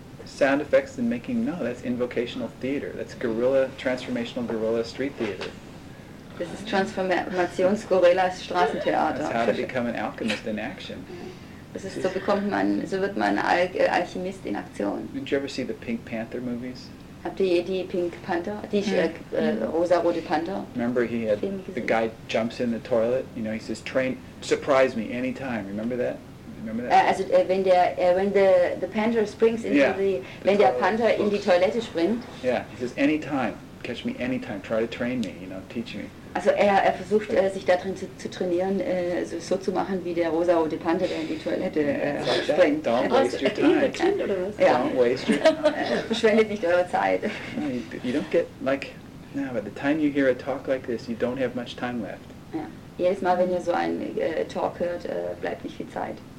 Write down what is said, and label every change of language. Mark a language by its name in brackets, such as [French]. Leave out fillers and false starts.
[English] Sound effects and making, no, that's invocational theater. That's guerrilla, transformational guerrilla street theater. This is [German] Transformationsguerilla Straßentheater. [English] That's how to become an alchemist in action. [German] Das ist, so bekommt man, so wird man Alchemist in Aktion. [English] Did you ever see the Pink Panther movies? [German] Habt ihr die Pink Panther, die rosa-rote Panther? [English] Remember he had, the guy jumps in the toilet, you know, he says, train, surprise me anytime, remember that? [German] Also [English] when the Panther springs into [German] Panther in die Toilette springt. [English] Yeah, he says, anytime, catch me anytime, try to train me, you know, teach me. [German] Also er versucht sich darin zu trainieren, so zu machen wie der rosa-rote Panther, der in die Toilette springt. [English] Don't waste your time. [German] Ja. [English] Don't waste your time. [German] Verschwendet nicht eure Zeit. [English] You don't get like now. By the time you hear a talk like this, you don't have much time left. [German] Ja. Jedes Mal, wenn ihr so einen Talk hört, bleibt nicht viel Zeit.